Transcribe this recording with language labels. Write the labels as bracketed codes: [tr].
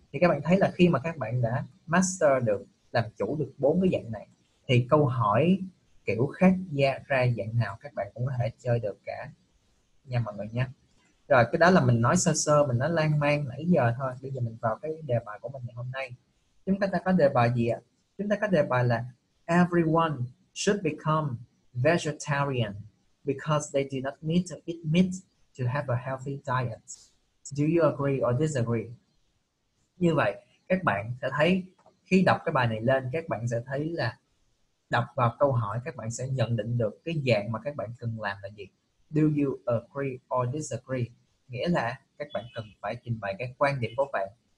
[vi] Thì các bạn thấy là khi mà các bạn đã master được, làm chủ được bốn cái dạng này thì câu hỏi kiểu khác ra dạng nào các bạn cũng có thể chơi được cả nha mọi người nha. Rồi cái đó là mình nói sơ sơ, mình nói lan man nãy giờ thôi. Bây giờ mình vào cái đề bài của mình ngày hôm nay. Chúng ta có đề bài gì ạ? Chúng ta có đề bài là [en] everyone should become vegetarian because they do not need to eat meat to have a healthy diet. Do you agree or disagree? [vi] Như vậy, các bạn sẽ thấy khi đọc cái bài này lên, các bạn sẽ thấy là đọc vào câu hỏi, các bạn sẽ nhận định được cái dạng mà các bạn cần làm là gì. [en] Do you agree or disagree? [vi] Nghĩa là các bạn cần phải trình bày cái quan điểm của bạn.